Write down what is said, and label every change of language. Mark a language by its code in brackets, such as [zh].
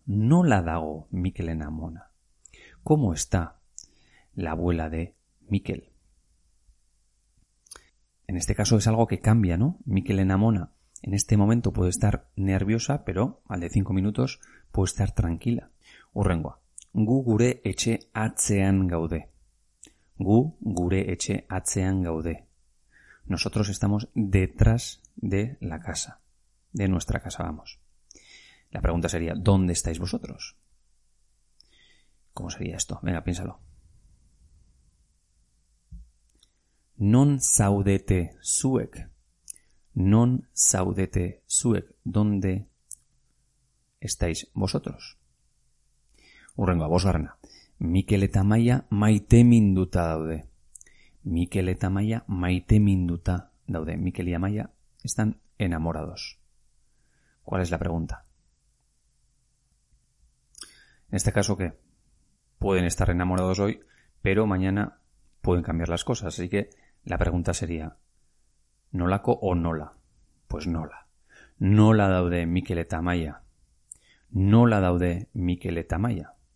[eu] Nola dago Mikelen amona. [es] ¿Cómo está la abuela de Mikel? En este caso es algo que cambia, ¿no? Mikelen amona en este momento puede estar nerviosa, pero al de 5 minutos puede estar tranquila. [eu] Urrengoa. Gu gure etxe atzean gaude. Gu gure etxe atzean gaude. [es] Nosotros estamos detrás de la casa. De nuestra casa, vamos. La pregunta sería, ¿dónde estáis vosotros? ¿Cómo sería esto? Venga, piénsalo. [eu] Non zaudete zuek. Non zaudete zuek. [es] ¿Dónde estáis vosotros? [eu] Urrengoa, bosgarrena. Mikel eta Maia maite minduta daude. Mikel eta Maia maite minduta daude. [es] Mikel y Maia están enamorados. ¿Cuál es la pregunta? En este caso, ¿qué? Pueden estar enamorados hoy, pero mañana pueden cambiar las cosas. Así que la pregunta sería, ¿nolako o nola? Pues nola. [eu] Nola daude Mikel eta Maia. Nola daude Mikel eta Maia.